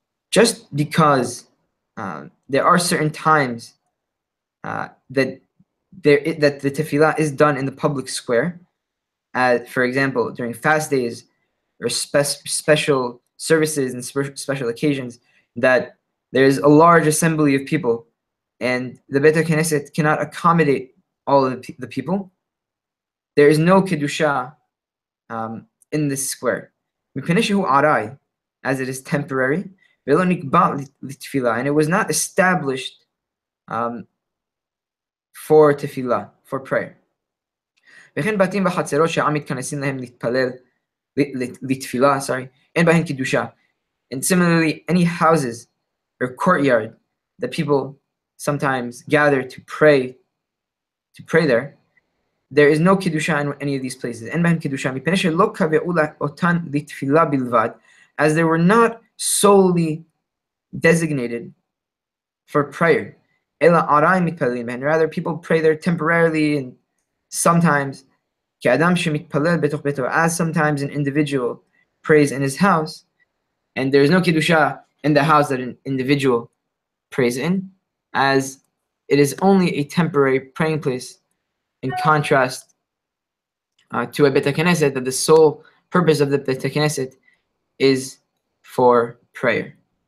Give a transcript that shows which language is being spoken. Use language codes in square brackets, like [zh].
[en] Just because there are certain times that the tefillah is done in the public square, for example, during fast days or special services and special occasions, that there is a large assembly of people and the Beit HaKnesset cannot accommodate all of the people, there is no kedusha in this square. [he] Mipnei shehu arai, [en] as it is temporary, [he] ve'lo nikba l'tefila, [en] and it was not established for tefillah, for prayer. [he] וכן בתים בחצרות שהעם מתכנסים להם להתפלל, לתפילה, sorry, אין בהן קידושה. [en] And similarly, any houses or courtyard that people sometimes gather to pray there, there is no kiddusha in any of these places. [he] אין בהן קידושה, מפני שלא קבעו אותן לתפילה בלבד, [en] as they were not solely designated for prayer. [he] אלא ערי מתפללים בהן, [en] rather people pray there temporarily and sometimes, [he] כאדם שמתפלל בתוך ביתו, [en] as sometimes an individual prays in his house, and there is no kiddusha in the house that an individual prays in, as it is only a temporary praying place, in contrast to a Beit HaKnesset, that the sole purpose of the Beit HaKnesset is for prayer.